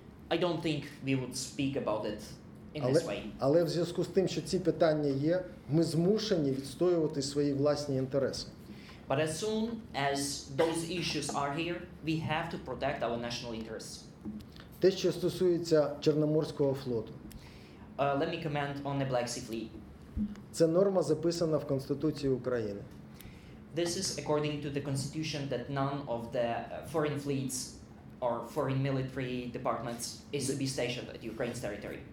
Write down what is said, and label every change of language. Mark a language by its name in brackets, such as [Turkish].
[English] I don't think we would speak about it in this way. [Ukrainian] Але в зв'язку з тим, що ці питання є, ми змушені відстоювати свої власні інтереси. [English] But as soon as those issues are here, we have to protect our national interests. [Ukrainian] Те, що стосується Чорноморського флоту. [English] Let me comment on the Black Sea Fleet. [Ukrainian] Це норма записана в Конституції України. [English] This is according to the constitution that none of the foreign fleets or foreign military departments is to be stationed at Ukraine's territory.